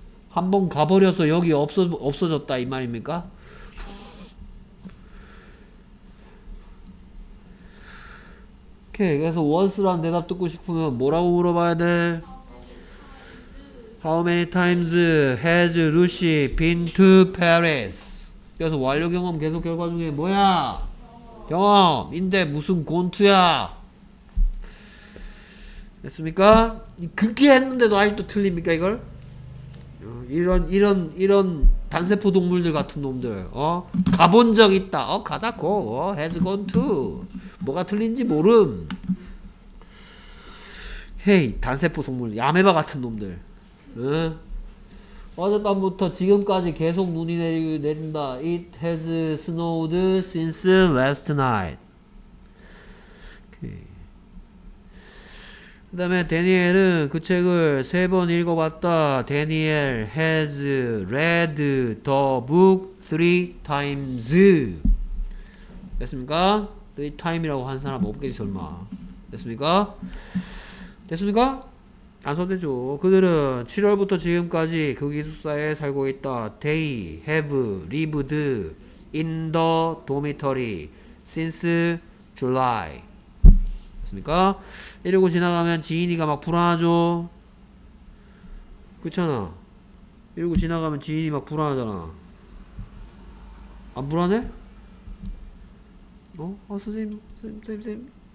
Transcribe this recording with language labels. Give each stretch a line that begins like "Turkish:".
Korean: 한번 가버려서 여기 없어졌다 이 말입니까? 오케이. 그래서 once란 대답 듣고 싶으면 뭐라고 물어봐야 돼?
English: How many times has Lucy been to Paris?
Korean: 그래서 완료 경험 계속 결과 중에 뭐야? 경험인데 무슨 gone to야? 됐습니까? 그렇게 했는데도 아직도 틀립니까 이걸? 이런 단세포 동물들 같은 놈들. 어? 가본 적 있다. 어? 가다 고. 어?
English: has gone to.
Korean: 뭐가 틀린지 모름. 헤이, 단세포 동물. 야메바 같은 놈들. 응? 어젯밤부터 지금까지 계속 눈이 내린다.
English: It has snowed since last night.
Korean: 그 다음에 대니엘은 그 책을 세 번 읽어봤다.
English: Daniel has read the book three times.
Korean: 됐습니까? three time이라고 한 사람 없겠지 설마. 됐습니까? 됐습니까? 단서대죠. 그들은 7월부터 지금까지 그 기숙사에 살고 있다.
English: They have lived in the dormitory since July.
Korean: 됐습니까? 이러고 지나가면 지인이가 막 불안하죠. 그렇잖아. 이러고 지나가면 지인이 막 불안하잖아. 안 불안해? 어? 아 선생님.